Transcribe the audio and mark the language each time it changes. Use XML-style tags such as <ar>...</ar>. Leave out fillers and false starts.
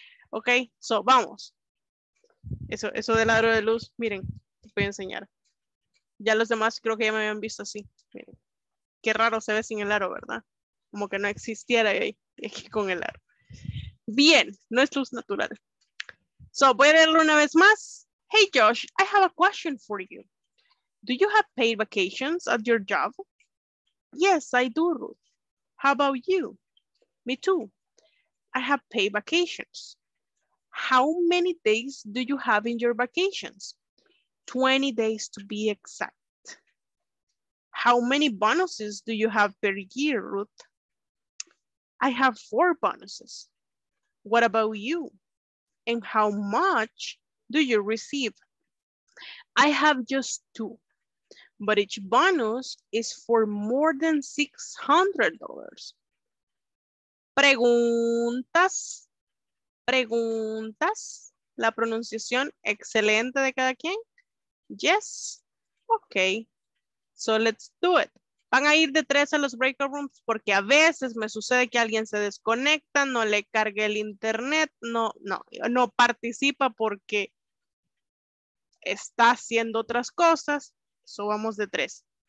<es>Ok, so vamos. Eso del aro de luz, miren, te voy a enseñar. Ya los demás creo que ya me habían visto así. Miren, qué raro se ve sin el aro, ¿verdad? Como que no existiera ahí, aquí con el aro. Bien, no es luz natural. So, voy a leerlo una vez más.</es> <en>Hey, Josh, I have a question for you. Do you have paid vacations at your job? Yes, I do, Ruth. How about you? Me too. I have paid vacations. How many days do you have in your vacations? 20 days to be exact. How many bonuses do you have per year, Ruth? I have 4 bonuses. What about you? And how much do you receive? I have just 2, but each bonus is for more than $600.</en> <es>Preguntas, preguntas, la pronunciación excelente de cada quien.</es> <en>Yes, okay, so let's do it.</en> <es>Van a ir de 3 a los breakout rooms porque a veces me sucede que alguien se desconecta, no le cargue el internet, no participa porque está haciendo otras cosas. So vamos de 3.</es>